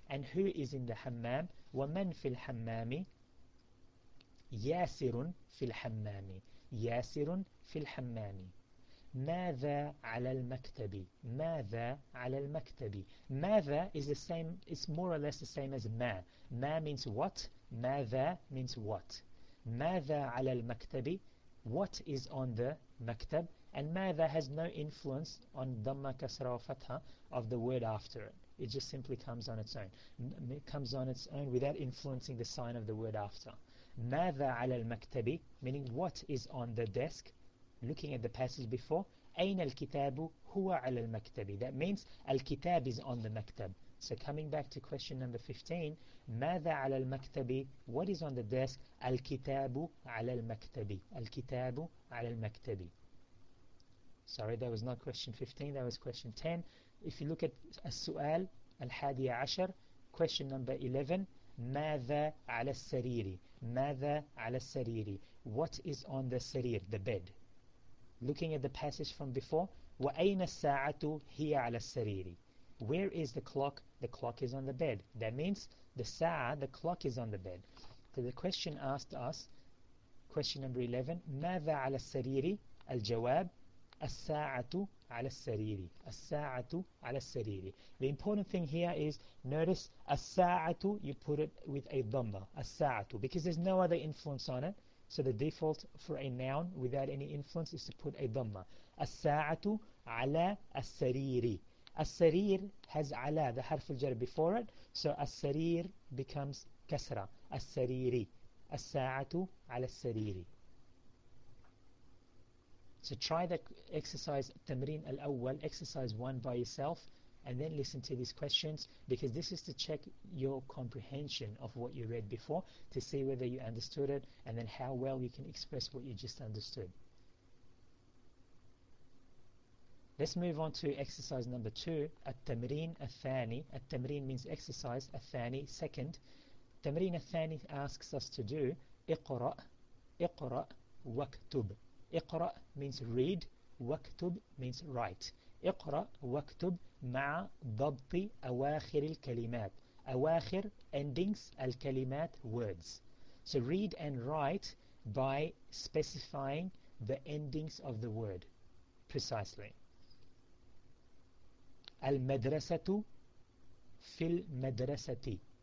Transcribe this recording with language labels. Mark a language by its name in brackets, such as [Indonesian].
[English] And who is in the حمام. [Arabic] ومن في الحمام. ياسر في الحمام. ياسر في الحمام. ماذا على المكتب. ماذا على المكتب. [English] ماذا is the same. It's more or less the same as ما. [Arabic] ما [English] means what. [Arabic] ماذا means what. ماذا على المكتب. [English] what is on the maktab, and ماذا has no influence on dhamma, kasra, or fatha of the word after it. It just simply comes on its own. It comes on its own without influencing the sign of the word after. [Arabic] ماذا على المكتب, [English] meaning what is on the desk, looking at the passage before. [Arabic] أين الكتاب, هو على المكتب. [English] That means الكتاب is on the maktab. So coming back to question number 15, [Arabic] ماذا على المكتب, [English] what is on the desk. [Arabic] الكتاب على المكتب. الكتاب على المكتب. [English] Sorry, that was not question 15, that was question 10. If you look at [Arabic] السؤال الحادي عشر, [English] question number 11, [Arabic] ماذا على السرير. ماذا على السرير. [English] What is on the سرير, the bed. Looking at the passage from before, [Arabic] وأين الساعة هي على السرير. [English] Where is the clock? The clock is on the bed. That means the sa'a, the clock, is on the bed. So the question asked us, question number 11, [Arabic] ماذا على السرير. الجواب, الساعة على السرير. الساعة على السرير. [English] The important thing here is, notice الساعة, you put it with a dhamma, الساعة, because there's no other influence on it. So the default for a noun without any influence is to put a dhamma. [Arabic] الساعة على السرير. السرير has على, the حرف الجر before it. [English] So السرير becomes كسرة. [Arabic] السريري. الساعة على السرير. [English] So try the exercise, تمرين الأول, exercise one by yourself, and then listen to these questions, because this is to check your comprehension of what you read before, to see whether you understood it, and then how well you can express what you just understood. Let's move on to exercise number two, التمرين الثاني. التمرين means exercise, الثاني, second. [Arabic] التمرين الثاني [English] asks us to do, [Arabic] اقرأ, اقرأ, واكتب. [English] اقرأ means read, واكتب means write. [Arabic] اقرأ واكتب مع ضبط أواخر الكلمات. [English] أواخر, endings, الكلمات, words. So read and write by specifying the endings of the word precisely. [Arabic] المدرسة في المدرسة.